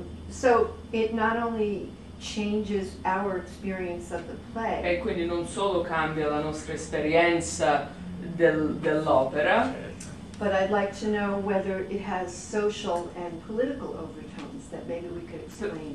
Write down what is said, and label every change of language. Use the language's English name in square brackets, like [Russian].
[English] So it not only changes our experience of the play. [Italian] E quindi non solo cambia la nostra esperienza dell'opera. [English] But I'd like to know whether it has social and political overtones that maybe we could explain.